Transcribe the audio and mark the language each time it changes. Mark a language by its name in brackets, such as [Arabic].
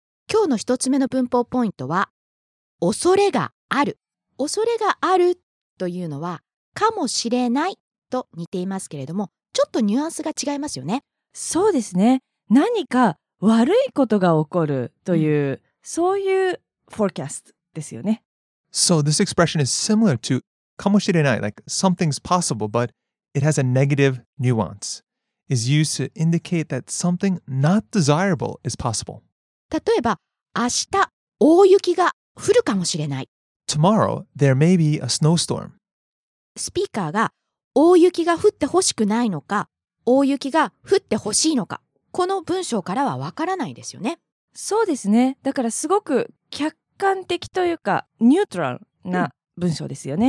[Japanese] 今日の一つ目の文法ポイントは恐れがある。恐れがあるというのはかもしれないと似ていますけれども、ちょっとニュアンスが違いますよね。そうですね、何か悪いことが起こるという、うん、そういうフォーキャストですよね。 [English] So this expression is similar to かもしれない、 like something's possible but it has a negative nuance. It's used to indicate that something not desirable is possible. [Japanese] 例えば明日大雪が降るかもしれない。 [English] Tomorrow there may be a snowstorm. [Japanese] スピーカーが大雪が降ってほしくないのか大雪が降ってほしいのか、この文章からはわからないですよね。そうですね、だからすごく客観的というかニュートラルな文章ですよね、